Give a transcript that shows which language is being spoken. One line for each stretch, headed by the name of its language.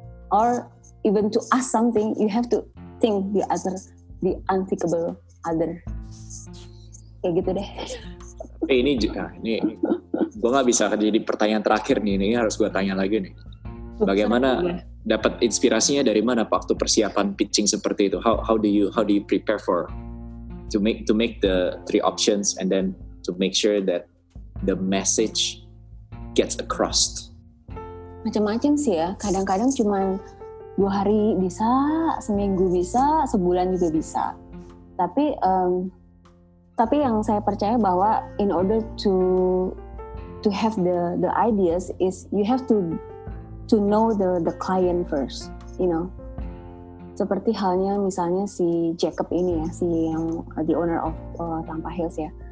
English: Or even to ask something, you have to think the other, the unthinkable other.
Indonesian: Kayak gitu deh. Ini gue nggak bisa jadi pertanyaan terakhir nih, ini harus gue tanya lagi nih. Bagaimana dapat inspirasinya, dari mana waktu persiapan pitching seperti itu?
English: How do you prepare for to make the three options and then to make sure that the message gets across?
Indonesian: Macam-macam sih ya. Kadang-kadang cuma 2 hari bisa, seminggu bisa, sebulan juga bisa. Tapi yang saya percaya bahwa
English: in order to have the ideas is you have to know the client first, you know.
Indonesian: Seperti halnya misalnya si Jacob ini ya, si yang
English: the owner of Tampa Hills
Indonesian: ya.